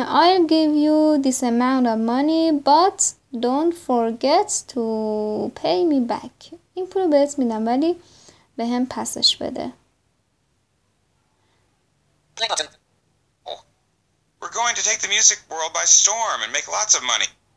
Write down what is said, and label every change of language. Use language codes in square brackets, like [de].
[en] I'll give you this amount of money, but don't forget to pay me back. [fa] این پولو بهت میدم ولی به هم پسش بده. [en] We're going to take the music world by storm and make lots of money.